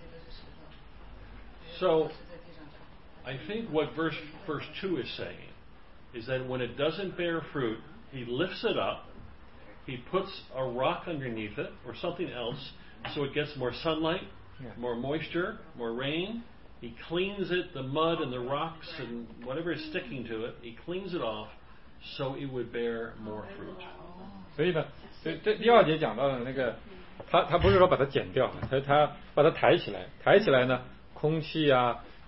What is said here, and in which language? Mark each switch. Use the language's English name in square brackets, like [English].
[Chinese] 对，就他说那个减去这个不是特别准确，对，原文呢应该是提高的意思，就把它架起来。对，架。对对对对。对。哎，他可是他原来不是说把它剪了丢火烧。对，他会再讲。 [English] So. I think what verse 2 is saying is that when it doesn't bear fruit, he lifts it up, he puts a rock underneath it or something else so it gets more sunlight, more moisture, more rain. He cleans it, the mud and the rocks and whatever is sticking to it, he cleans it off so it would bear more fruit. [Chinese] 所以呢，这第二节讲到的那个，他不是说把它剪掉，他把它抬起来，抬起来呢，空气啊。